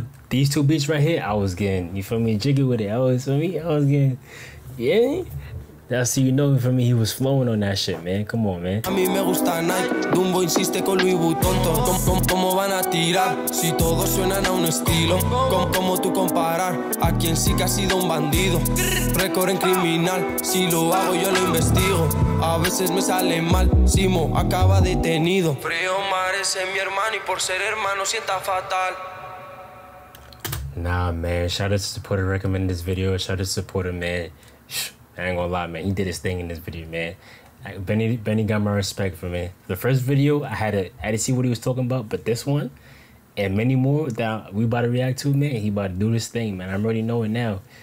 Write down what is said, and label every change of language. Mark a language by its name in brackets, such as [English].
[English] These two beats right here, I was getting, you feel me, jiggy with it. I was getting, yeah. That's so you know for me he was flowing on that shit, man. Come on, man. [Spanish] A mí me gusta Nike, Dumbo insiste con Louis Vuitton. ¿Cómo van a tirar si todos suenan a un estilo? ¿Cómo tú comparar a quien sí que ha sido un bandido? Récord en criminal, si lo hago yo lo investigo. A veces me sale mal, Simo acaba detenido. Frío Mares es mi hermano y por ser hermano sienta fatal. [English] Nah, man, shout out to Supporter recommending this video. Shout out to Supporter, man. I ain't gonna lie, man. He did his thing in this video, man. Like, Beny got my respect for me. The first video, I had to see what he was talking about, but this one and many more that we about to react to, man, he about to do this thing, man. I'm already knowing now.